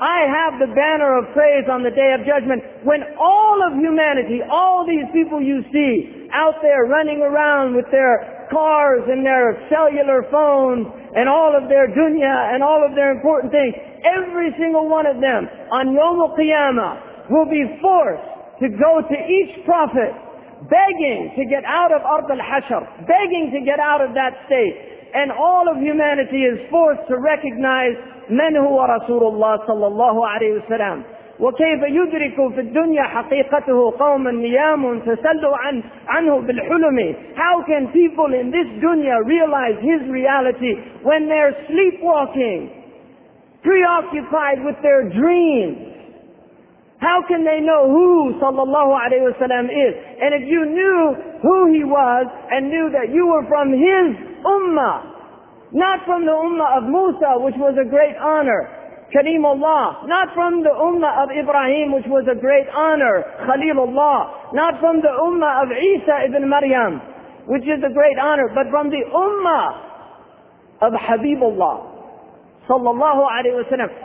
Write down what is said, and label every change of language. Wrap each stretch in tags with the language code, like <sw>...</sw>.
<en>I have the banner of praise on the Day of Judgment. When all of humanity, all these people you see out there running around with their cars and their cellular phones and all of their dunya and all of their important things, every single one of them on Yawm al-Qiyamah will be forced to go to each prophet begging to get out of Ard al-Hashr, begging to get out of that state. And all of humanity is forced to recognize</en> <ar>من هو رسول الله صلى الله عليه وسلم وكيف يدرك في الدنيا حقيقته قوم نيام تسلوا عنه بالحلم.</ar> <en>How can people in this dunya realize his reality when they're sleepwalking, preoccupied with their dreams? How can they know who sallallahu alayhi wa sallam is? And if you knew who he was and knew that you were from his ummah, not from the ummah of Musa, which was a great honor, Kareemullah, not from the ummah of Ibrahim, which was a great honor, Khalilullah, not from the ummah of Isa ibn Maryam, which is a great honor, but from the ummah of Habibullah, sallallahu alayhi wa sallam.</en>